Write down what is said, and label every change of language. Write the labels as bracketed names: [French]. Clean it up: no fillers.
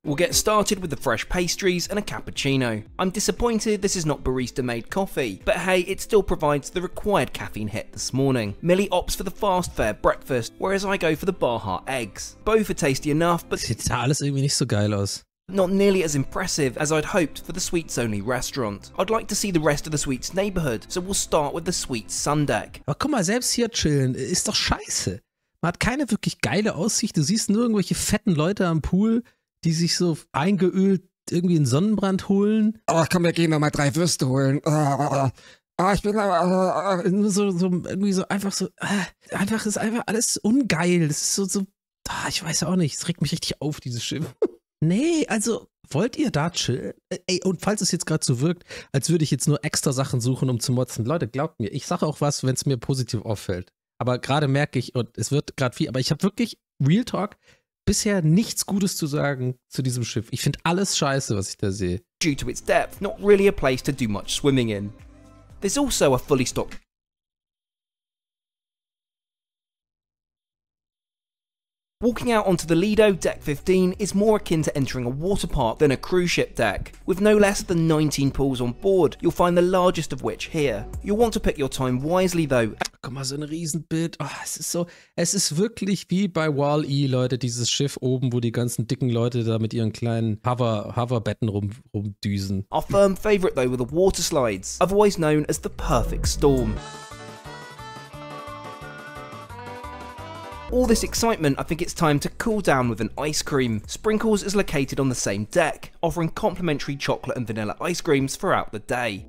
[English] We'll get started with the fresh pastries and a cappuccino. I'm disappointed this is not barista-made coffee, but hey, it still provides the required caffeine hit this morning. Millie opts for the fast fare breakfast, whereas I go for the Baja eggs. Both are tasty enough, but [German] it's alles irgendwie nicht so geil aus. [English] Not nearly as impressive as I'd hoped for the sweets-only restaurant. I'd like to see the rest of the sweets neighborhood, so we'll start with the sweets sun deck. [German] Aber guck mal, selbst hier chillen ist doch scheiße. Man hat keine wirklich geile Aussicht. Du siehst nur irgendwelche fetten Leute am Pool, die sich so eingeölt irgendwie einen Sonnenbrand holen. Oh, komm, wir gehen nochmal 3 Würste holen. Einfach alles ungeil. Das ist so, ich weiß auch nicht. Es regt mich richtig auf, dieses Schiff. Nee, also wollt ihr da chillen? Ey, und falls es jetzt gerade so wirkt, als würde ich jetzt nur extra Sachen suchen, um zu motzen. Leute, glaubt mir, ich sage auch was, wenn es mir positiv auffällt. Aber gerade merke ich, und es wird gerade viel, aber ich habe wirklich, Real Talk, bisher nichts Gutes zu sagen zu diesem Schiff. Ich finde alles scheiße, was ich da sehe. [English] Due to its depth, not really a place to do much swimming in. There's also a fully stocked... Walking out onto the Lido, Deck 15, is more akin to entering a water park than a cruise ship deck. With no less than 19 pools on board, you'll find the largest of which here. You'll want to pick your time wisely though. [German] Guck mal, so ein Riesenbild. Oh, es ist wirklich wie bei Wall-E, Leute, dieses Schiff oben, wo die ganzen dicken Leute da mit ihren kleinen Hoverbetten rumdüsen. [English] Our firm favorite though were the water slides, otherwise known as the perfect storm. All this excitement, I think it's time to cool down with an ice cream. Sprinkles is located on the same deck, offering complimentary chocolate and vanilla ice creams throughout the day.